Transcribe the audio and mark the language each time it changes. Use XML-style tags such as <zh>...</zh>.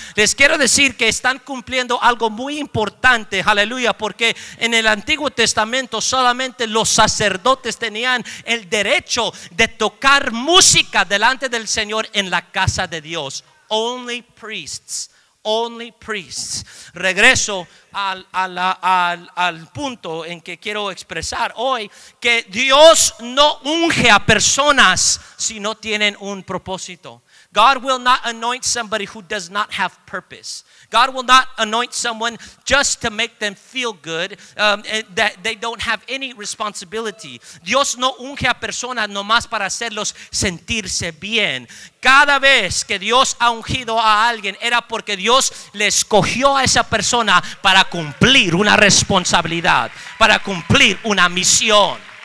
<es>Les quiero decir que están cumpliendo algo muy importante, aleluya, porque en el Antiguo Testamento solamente los sacerdotes tenían el derecho de tocar música delante del Señor en la casa de Dios.</es> <en>Only priests. Only priests.</en> <es>Regreso al punto en que quiero expresar hoy que Dios no unge a personas si no tienen un propósito.</es> <en>God will not anoint somebody who does not have purpose. God will not anoint someone just to make them feel good, that they don't have any responsibility.</en> <es>Dios no unge a personas nomás para hacerlos sentirse bien. Cada vez que Dios ha ungido a alguien, era porque Dios le escogió a esa persona para cumplir una responsabilidad, para cumplir una misión.</es>